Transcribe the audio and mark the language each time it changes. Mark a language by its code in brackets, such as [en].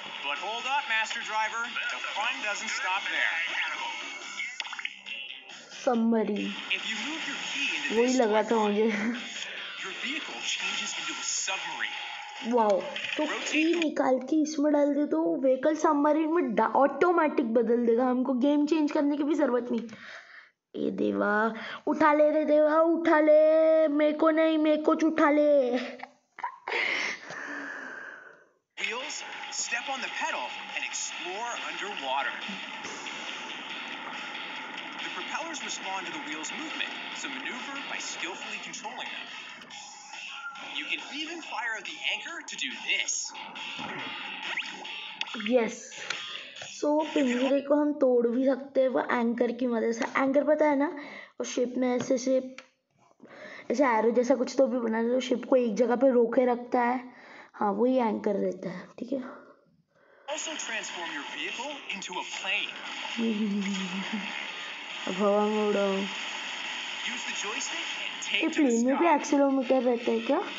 [en] But hold up, Master Driver, the fun doesn't stop there. Somebody. If you move your key into this toy car, your vehicle changes into a submarine. [hi] Wow, तो की निकाल के इसमें डाल दे तो vehicle submarine में automatic बदल देगा, हमको गेम चेंज करने की भी जरूरत नहीं. ए देवा उठा ले रे देवा, उठा ले मेरे को, नहीं मेरे को उठा ले. [en] Wheels, step on the pedal and explore underwater. The propellers respond to the wheels' movement, so maneuver by skillfully controlling them. You can even fire the anchor to do this. Yes. [hi] So, पिंजरे को हम तोड़ भी सकते हैं वो anchor की मदद से. एंकर पता है ना, वो शिप में ऐसे शिप ऐसे एरो जैसा कुछ तो भी बना, तो शिप को एक जगह पे रोके रखता है. हाँ वो ही एंकर रहता है, ठीक है। [en] Also transform your vehicle into a plane. [hi] अब हवा में उड़ाओ। [en] Use the joystick and take to the sky. [hi] ये प्लेन में भी एक्सेलेरोमीटर रहता है क्या?